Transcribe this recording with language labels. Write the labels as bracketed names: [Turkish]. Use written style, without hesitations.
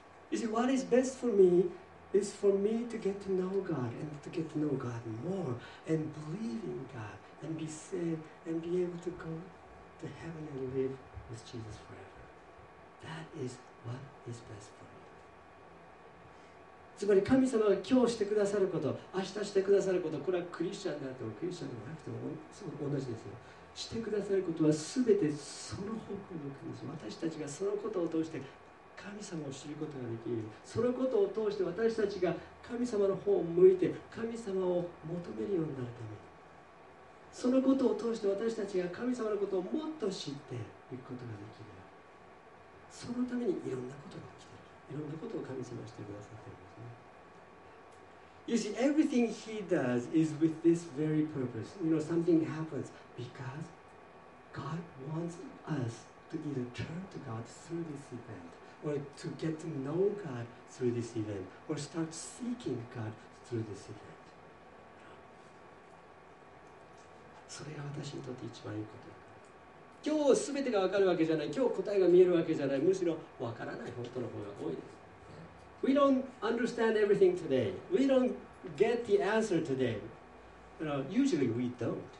[English] You see, what is best for me is for me to get to know God and to get to know God more and believe in God and be saved and be able to go to heaven and live with Jesus forever. That is what is best for me. [Japanese] つまり神様が今日してくださること、明日してくださること、これはクリスチャンであってもクリスチャンでもなくても同じですよ。してくださることは全てその方向に向くんです。私たちがそのことを通して神様を知ることができる、そのことを通して私たちが神様の方を向いて神様を求めるようになるため、そのことを通して私たちが神様のことをもっと知っていくことができる、そのためにいろんなことが起きている、いろんなことを神様はしてくださっているんですね。 [English] You see, everything he does is with this very purpose. You know, something happens because God wants us to either turn to God through this eventor to get to know God through this event, or start seeking God through this event. [Japanese] それが私にとって一番いいこと。今日全てが分かるわけじゃない、今日答えが見えるわけじゃない、むしろ分からない本当の方が多いです。 [English] We don't understand everything today. We don't get the answer today. You know, usually we don't.